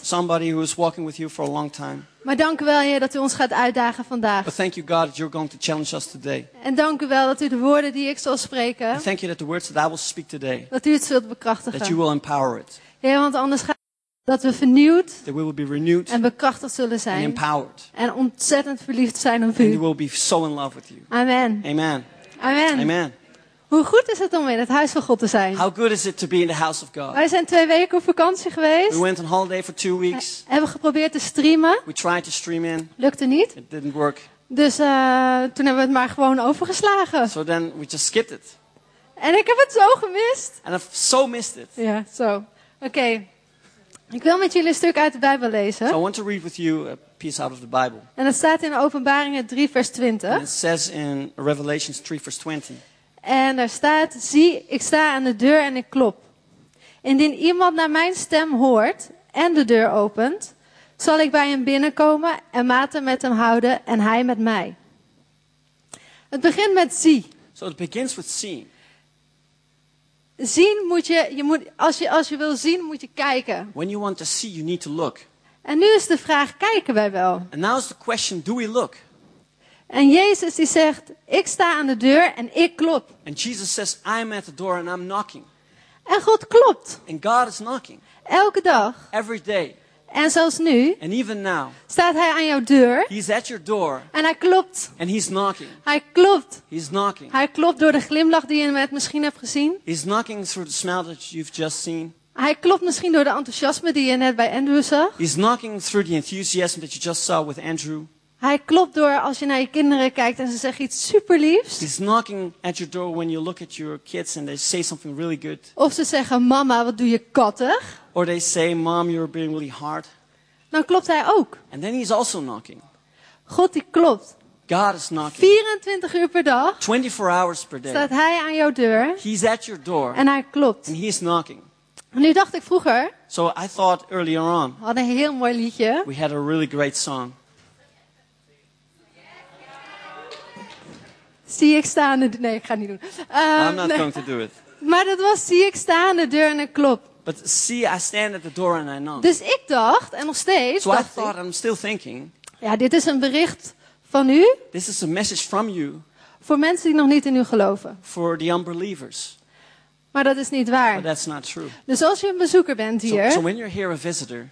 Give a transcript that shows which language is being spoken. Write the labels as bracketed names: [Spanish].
[English] Somebody who is walking with you for a long time. [Dutch] Maar dank u wel, Heer, dat u ons gaat uitdagen vandaag. [English] But thank you, God, that you're going to challenge us today. [Dutch] En dank u wel dat u de woorden die ik zal spreken. [English] And thank you that the words that I will speak today. [Dutch] Dat u het zult bekrachtigen. [English] That you will empower it. [Dutch] Heer, want anders gaat dat we vernieuwd. [English] That we will be renewed. [Dutch] En bekrachtigd zullen zijn. [English] And empowered. [Dutch] En ontzettend verliefd zijn op u. [English] And we will be so in love with you. Amen. Amen. Amen. Amen. [Dutch] Hoe goed is het om in het huis van God te zijn? [English] How good is it to be in the house of God? [Dutch] Wij zijn 2 weken op vakantie geweest. [English] We went on holiday for 2 weeks. [Dutch] Hebben geprobeerd te streamen. [English] We tried to stream in. [Dutch] Lukte niet. [English] It didn't work. [Dutch] Dus toen hebben we het maar gewoon overgeslagen. [English] So then we just skipped it. [Dutch] En ik heb het zo gemist. [English] And I've so missed it. [Dutch] Ja, zo. Oké. Ik wil met jullie een stuk uit de Bijbel lezen. [English] So I want to read with you a piece out of the Bible. [Dutch] En dat staat in Openbaringen 3 vers 20. [English] And it says in Revelations 3 verse 20. [Dutch] En daar staat, zie, ik sta aan de deur en ik klop. Indien iemand naar mijn stem hoort en de deur opent, zal ik bij hem binnenkomen en maten met hem houden en hij met mij. Het begint met zie. [English] So it begins with seeing. [Dutch] Zien moet je wil zien, moet je kijken. [English] When you want to see, you need to look. [Dutch] En nu is de vraag, kijken wij wel? [English] And now is the question, do we look? [Dutch] En Jezus die zegt, ik sta aan de deur en ik klop. [English] And Jesus says, I'm at the door and I'm knocking. [Dutch] En God klopt. [English] And God is knocking. [Dutch] Elke dag. [English] Every day. [Dutch] En zelfs nu. [English] And even now. [Dutch] Staat hij aan jouw deur. [English] He's at your door. [Dutch] En hij klopt. [English] And he's knocking. [Dutch] Hij klopt. [English] He's knocking. [Dutch] Hij klopt door de glimlach die je net misschien hebt gezien. [English] He's knocking through the smile that you've just seen. [Dutch] Hij klopt misschien door de enthousiasme die je net bij Andrew zag. [English] He's knocking through the enthusiasm that you just saw with Andrew. [Dutch] Hij klopt door als je naar je kinderen kijkt en ze zeggen iets superliefs. [English] He's knocking at your door when you look at your kids and they say something really good. [Dutch] Of ze zeggen, mama, wat doe je kattig. [English] Or they say, mom, you're being really hard. [Dutch] Dan klopt hij ook. [English] And then he's also knocking. [Dutch] God die klopt. [English] God is knocking. [Dutch] 24 uur per dag. [English] 24 hours per day. [Dutch] Staat hij aan jouw deur. [English] He's at your door. [Dutch] En hij klopt. [English] And he's knocking. [Dutch] Nu dacht ik vroeger. [English] So I thought earlier on. [Dutch] We hadden een heel mooi liedje. [English] We had a really great song. [Dutch] Zie ik staan de deur. Nee, ik ga niet doen. [English] Going to do it. [Dutch] Maar dat was zie ik staan de deur en ik klop. [English] But see, I stand at the door and I knock. [Dutch] Dus ik dacht en nog steeds. [English] So [Dutch] dacht [English] I thought, [Dutch] ik, [English] I'm still thinking. [Dutch] Ja, dit is een bericht van u. [English] This is a message from you. [Dutch] Voor mensen die nog niet in u geloven. [English] For the unbelievers. [Dutch] Maar dat is niet waar. [English] But that's not true. [Dutch] Dus als je een bezoeker bent hier. [English] So when you're here a visitor.